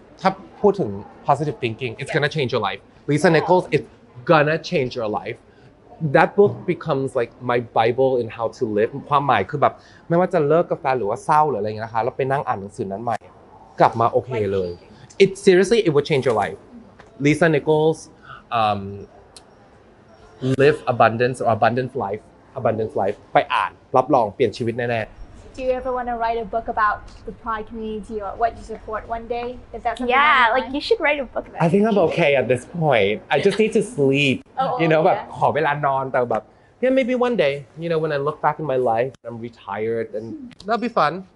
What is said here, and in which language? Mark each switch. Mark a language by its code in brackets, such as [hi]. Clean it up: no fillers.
[th] ถ้าพูดถึง [en] positive thinking, it's gonna change your life. Lisa Nichols, it's gonna change your life. That book becomes like my Bible in how to live. [th] ความหมายคือแบบไม่ว่าจะเลิกกับแฟนหรือว่าเศร้าหรืออะไรอย่างเงี้ยนะคะเราไปนั่งอ่านหนังสือนั้นใหม่กลับมาโอเคเลย [en] It seriously, it will change your life. [th] Lisa Nichols, [en] live abundance or abundance life [th] ไปอ่านรับรองเปลี่ยนชีวิตแน่ๆ [en] Do you ever want to write a book about the pride community or what you support one day? Is that something? Yeah, like you should write a book about it. I think I'm okay at this point. I just need to sleep. [th] ขอเวลานอนแต่แบบ [en] yeah maybe one day, you know, when I look back in my life and I'm retired and that'll be fun.